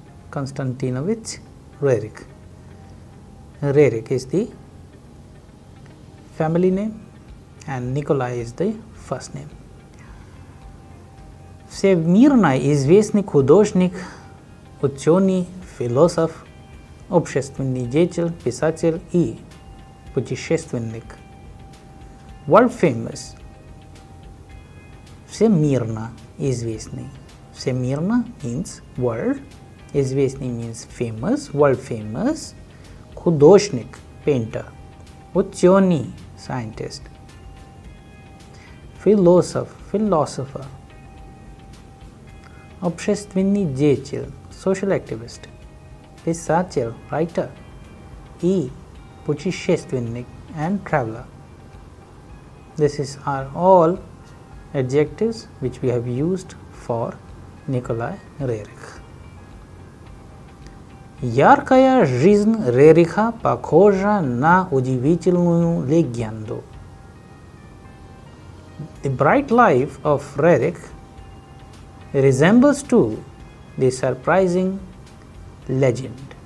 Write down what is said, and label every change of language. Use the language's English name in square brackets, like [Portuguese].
[English] Konstantinovich Roerich. Roerich is the family name and Nikolai is the first name. [Russian] Всемирно известный художник, ученый, философ, общественный деятель, писатель и путешественник. [English] World famous. [Russian] Всемирно известный. [English] Всемирно means world. Известный means famous. World famous. [Russian] Художник, painter. Ученый, scientist. Философ, philosopher. Общественный деятель, social activist. Писатель, writer. И путешественник and traveler. [English] This is are all adjectives which we have used for Nikolai Roerich. [Russian] Яркая жизнь Роериха похожа на удивительную легенду. [English] The bright life of Roerich resembles to the surprising legend.